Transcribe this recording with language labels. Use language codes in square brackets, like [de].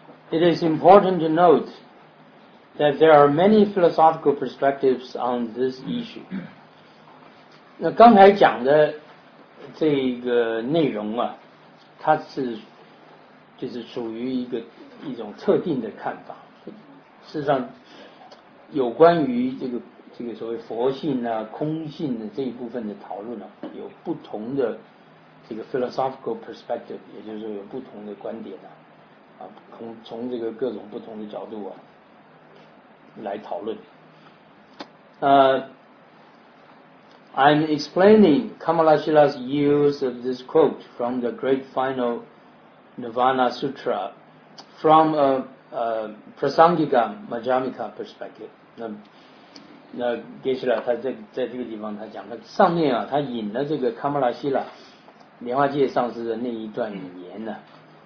[en] It is important to note that there are many philosophical perspectives on this issue. [zh] 那刚才讲的这个内容啊，它是就是属于一种特定的看法。事实上，有关于这个所谓佛性啊、空性的这一部分的讨论呢、啊，有不同的这个 [en] philosophical perspective， [zh] 也就是说有不同的观点呢、啊。从这个各种不同的角度啊来讨论。 [en] I'm explaining Kamala Shila's use of this quote from the Great Final Nirvana Sutra from a Prasangika Majjhimika perspective. [zh] 那 Geshe-la 他在这个地方他讲他上面啊他引了这个 Kamala Shila 莲花界上师的那一段语言呢、啊。